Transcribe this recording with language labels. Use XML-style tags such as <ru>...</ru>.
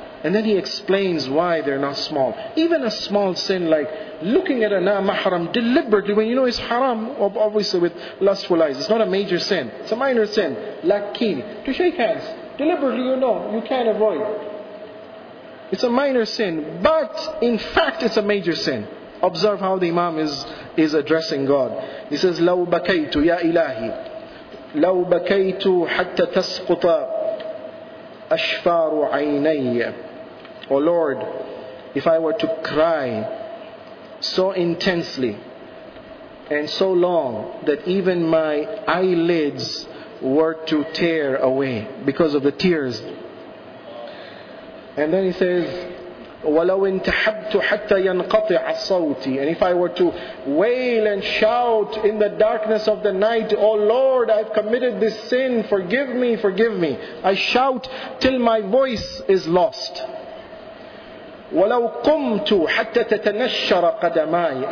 <en>And then he explains why they're not small. Even a small sin like looking at a na-mahram deliberately when you know it's haram, obviously with lustful eyes. It's not a major sin. It's a minor sin. Lakin, to shake hands. Deliberately, you know, you can't avoid. It's a minor sin. But in fact, it's a major sin. Observe how the Imam is addressing God. He says,</en> <ar>لَوْ بَكَيْتُ يَا إِلَهِ لَوْ بَكَيْتُ حَتَّى تَسْقُطَ أَشْفَارُ عَيْنَيَّ.</ar> <en>Oh Lord, if I were to cry so intensely and so long that even my eyelids were to tear away because of the tears. And then he says,</en> <ar>وَلَوْ انْتَحَبْتُ حَتَّى يَنْقَطِعَ صَوْتِي.</ar> <en>And if I were to wail and shout in the darkness of the night, Oh Lord, I've committed this sin, forgive me, forgive me. I shout till my voice is lost.</en> <ar>وَلَوْ قُمْتُ حَتَّى تَتَنَشَّرَ قَدَمَايَ.</ar>